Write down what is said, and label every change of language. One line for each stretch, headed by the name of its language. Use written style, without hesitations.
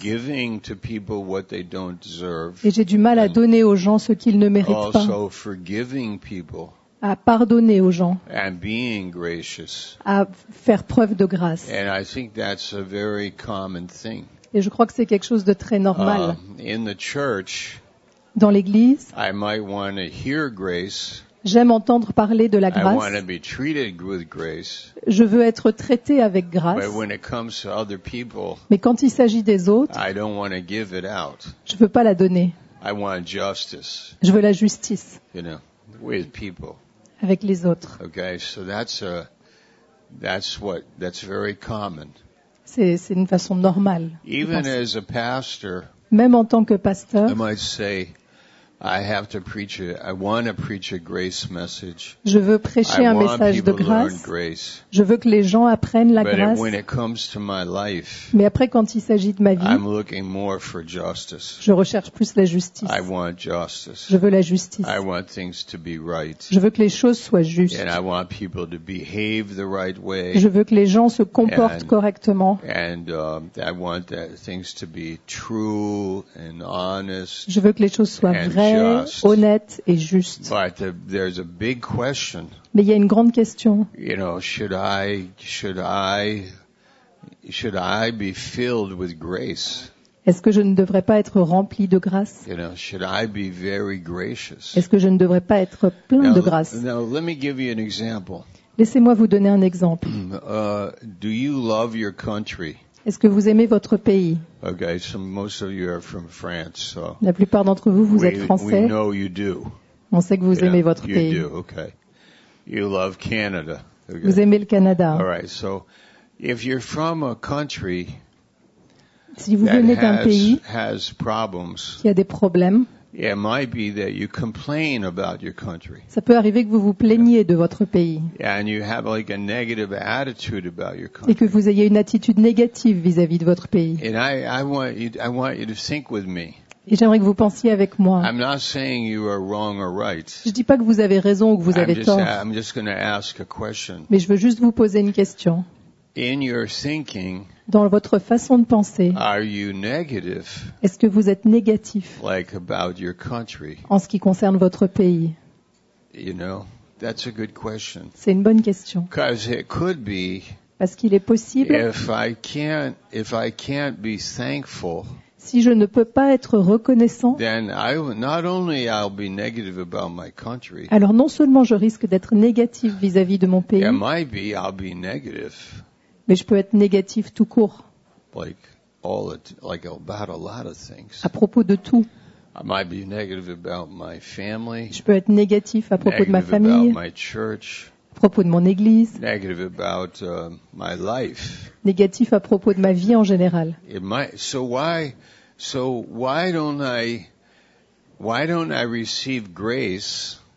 English: And giving to people what they don't deserve.
French: Et j'ai du mal à donner aux gens ce qu'ils ne méritent
English: also
French: pas.
English: Also forgiving people.
French: À pardonner aux gens.
English: And being gracious.
French: À faire preuve de grâce.
English: And I think that's a very common thing.
French: Et je crois que c'est quelque chose de très normal.
English: In the church,
French: dans l'église,
English: I might want to hear grace.
French: J'aime entendre parler de la grâce.
English: I want to be treated with grace.
French: Je veux être traité avec grâce.
English: But when it comes to other people,
French: mais quand il s'agit des autres,
English: I don't want to give it out.
French: Je ne veux pas la donner.
English: I want justice.
French: Je veux la justice.
English: You know, with people.
French: Avec les autres.
English: Okay, so that's very common.
French: C'est une façon normale.
English: Even as a pastor,
French: même en tant que pasteur,
English: I might say, I have to preach it. I want to preach a grace message.
French: Je veux prêcher un message de grâce.
English: I want people to learn grace.
French: Je veux que les gens apprennent la
English: but
French: grâce.
English: When it comes to my life,
French: mais après, quand il s'agit de ma vie,
English: I'm looking more for justice.
French: Je recherche plus la justice.
English: I want justice.
French: Je veux la justice.
English: I want things to be right.
French: Je veux que les choses soient justes.
English: And I want people to behave the right way.
French: Je veux que les gens se comportent correctement.
English: And I want things to be true and honest.
French: Je veux que les choses soient vraies. Honnête et juste.
English: But there's a big question.
French: Mais il y a une grande question.
English: You know, should I be filled with grace?
French: Est-ce que je ne devrais pas être rempli de grâce?
English: You know, should I be very gracious?
French: Est-ce que je ne devrais pas être plein
English: now,
French: de grâce?
English: Now, let me give you an example.
French: Laissez-moi vous donner un exemple.
English: Do you love your country?
French: Est-ce que vous aimez votre pays?
English: Okay, so most of you are from France, so
French: la plupart d'entre vous, vous êtes français.
English: We know you do.
French: On sait que vous aimez votre pays.
English: You do, okay. You love Canada. Okay.
French: Vous aimez le Canada.
English: All right, so if you're from a country
French: si vous venez d'un pays
English: has problems,
French: qui a des problèmes,
English: it might be that you complain about your country.
French: Ça peut arriver que vous vous plaigniez de votre pays.
English: And you have like a negative attitude about your country.
French: Et que vous ayez une attitude négative vis-à-vis de votre pays.
English: And I want you to think with me.
French: Et j'aimerais que vous pensiez avec moi.
English: I'm not saying you are wrong or right.
French: Je dis pas que vous avez raison ou que vous avez tort.
English: I'm just going to ask a question.
French: Mais je veux juste vous poser une question.
English: In your thinking,
French: dans votre façon de penser,
English: are you negative,
French: est-ce que vous êtes négatif
English: like about your country?
French: En ce qui concerne votre pays?
English: You know, that's a good question.
French: C'est une bonne question.
English: Because it could be,
French: parce qu'il est possible,
English: if I can't be thankful,
French: si je ne peux pas être reconnaissant,
English: then I, not only I'll be negative about my country,
French: alors non seulement je risque d'être négatif vis-à-vis de mon pays,
English: it might be I'll be negative.
French: Mais je peux être négatif tout court.
English: Like all it, like about a lot of things.
French: À propos de tout.
English: I might be negative about my family.
French: Je peux être négatif à propos
English: negative
French: de ma famille.
English: About my church.
French: À propos de mon église.
English: Negative about my life.
French: Négatif à propos de ma vie en général.
English: It might, so why don't I receive grace?